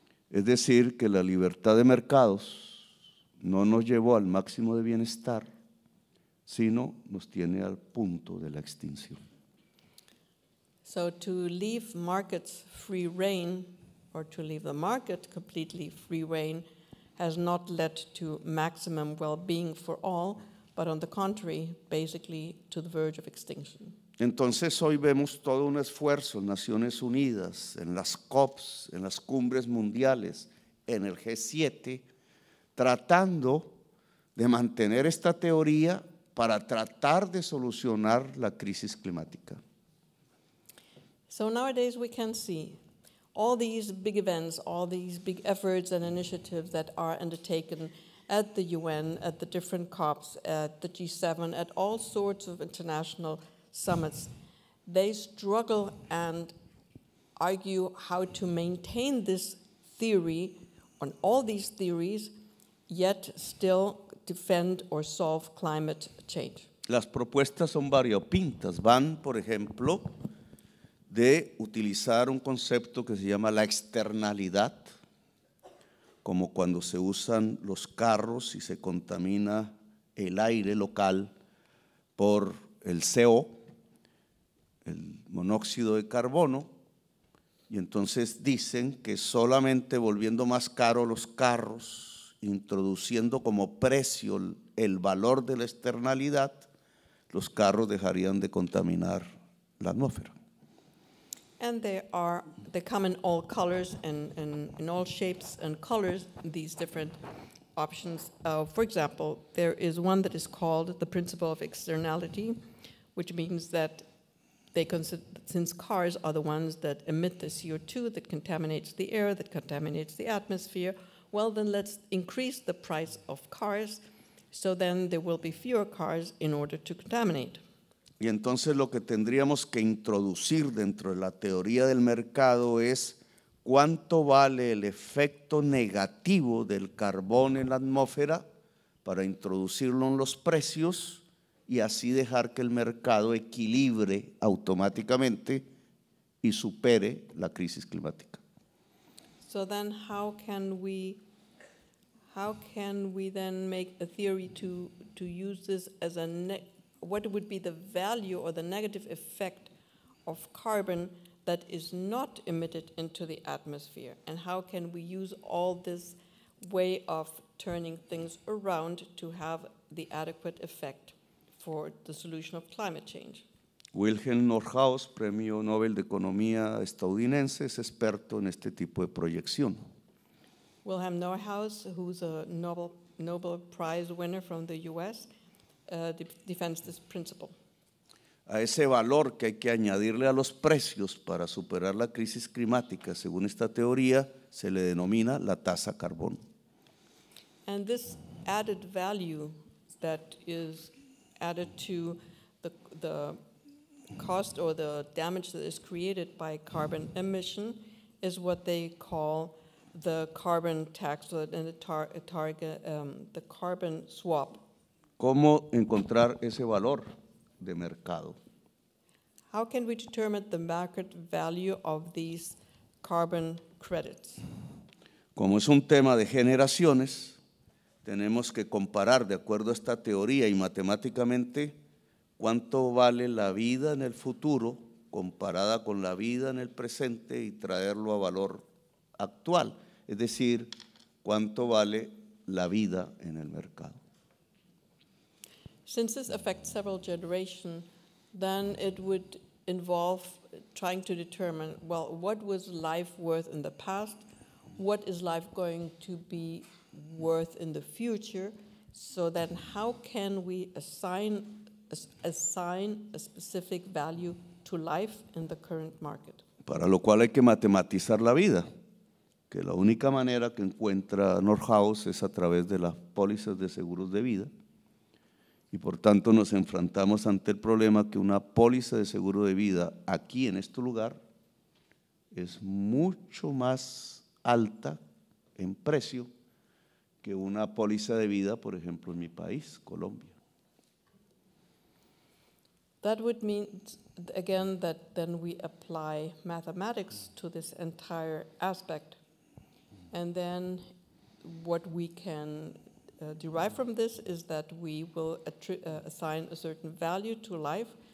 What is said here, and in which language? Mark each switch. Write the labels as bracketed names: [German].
[Spanish] Es decir, que la libertad de mercados no nos llevó al máximo de bienestar, sino nos tiene al punto de la extinción. [English] So to leave markets free rein, or to leave the market completely free rein, has not led to maximum well-being for all, but on the contrary, basically to the verge of extinction. [Spanish] Entonces hoy vemos todo un esfuerzo en Naciones Unidas, en las COPs, en las cumbres mundiales, en el G7, tratando de mantener esta teoría para tratar de solucionar la crisis climática. [English] So nowadays we can see all these big events, all these big efforts and initiatives that are undertaken at the UN, at the different COPs, at the G7, at all sorts of international summits. They struggle and argue how to maintain this theory on all these theories, yet still defend or solve climate change. [Spanish] Las propuestas son variopintas. Van, por ejemplo, de utilizar un concepto que se llama la externalidad, como cuando se usan los carros y se contamina el aire local por el CO, el monóxido de carbono, y entonces dicen que solamente volviendo más caro los carros, introduciendo como precio el valor de la externalidad, los carros dejarían de contaminar la atmósfera. [English] And they come in all colors and in all shapes and colors, these different options. For example, there is one that is called the principle of externality, which means that they since cars are the ones that emit the CO2 that contaminates the air, that contaminates the atmosphere, well, then let's increase the price of cars, so then there will be fewer cars in order to contaminate. [Spanish] Y entonces lo que tendríamos que introducir dentro de la teoría del mercado es cuánto vale el efecto negativo del carbón en la atmósfera para introducirlo en los precios y así dejar que el mercado equilibre automáticamente y supere la crisis climática. [English] So then how can we then make a theory to use this as a what would be the value or the negative effect of carbon that is not emitted into the atmosphere? And how can we use all this way of turning things around to have the adequate effect for the solution of climate change? [Spanish] Wilhelm Nordhaus, Premio Nobel de Economía estadounidense, es experto en este tipo de proyección. [English] Wilhelm Nordhaus, who's a Nobel Prize winner from the US, defends this principle. [Spanish] A ese valor que hay que añadirle a los precios para superar la crisis climática, según esta teoría, se le denomina la tasa carbón. [English] And this added value that is added to the cost or the damage that is created by carbon emission is what they call the carbon tax and the carbon swap. [Spanish] ¿Cómo encontrar ese valor de mercado? [English] How can we determine the market value of these carbon credits? [Spanish] Como es un tema de generaciones, tenemos que comparar, de acuerdo a esta teoría y matemáticamente, cuánto vale la vida en el futuro comparada con la vida en el presente y traerlo a valor actual. Es decir, cuánto vale la vida en el mercado. [English] Since this affects several generations, then it would involve trying to determine, well, what was life worth in the past? What is life going to be worth in the future? So then how can we assign a specific value to life in the current market? [Spanish] Para lo cual hay que matematizar la vida, que la única manera que encuentra Nordhaus es a través de las pólizas de seguros de vida. Y por tanto nos enfrentamos ante el problema que una póliza de seguro de vida aquí en este lugar es mucho más alta en precio que una póliza de vida, por ejemplo, en mi país, Colombia. [English] That would mean, again, that then we apply mathematics to this entire aspect. And then what we can derived from this is that we will assign a certain value to life.